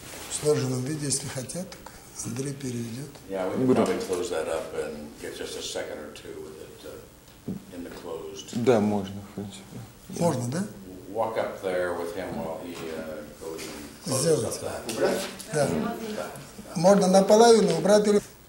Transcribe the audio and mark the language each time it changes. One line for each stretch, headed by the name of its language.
Russian: В сложенном виде, если хотят, так Андрей переведет.
English: Yeah, we can probably close that up and get just a second or two with it in the closed.
Russian: Да, можно, в принципе. Можно, да?
English: Walk up there with him while he goes and
Russian: Можно наполовину убрать или...